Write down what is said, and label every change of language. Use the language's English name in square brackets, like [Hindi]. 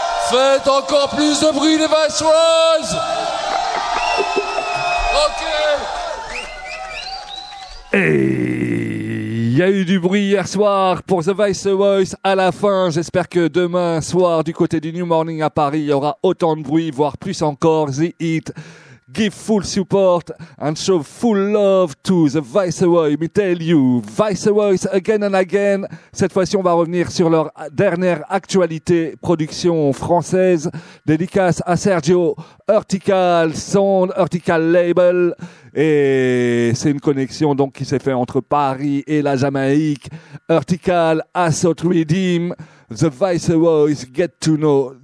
[French] Faites encore plus de bruit les Viceroys! Ok! Et il y a eu du bruit hier soir pour The Viceroys à la fin. J'espère que demain soir, du côté du New Morning à Paris, il y aura autant de bruit, voire plus encore. [English] The Hit, give full support and show full love to the Viceroy. Me tell you, Viceroys again and again. [French] Cette fois-ci, on va revenir sur leur dernière actualité production française. Dédicace à Sergio Urtical, Sound Urtical Label. Et c'est une connexion donc qui s'est faite entre Paris et la Jamaïque. [English] Urtical, Assault Redeem, the Viceroys get to know.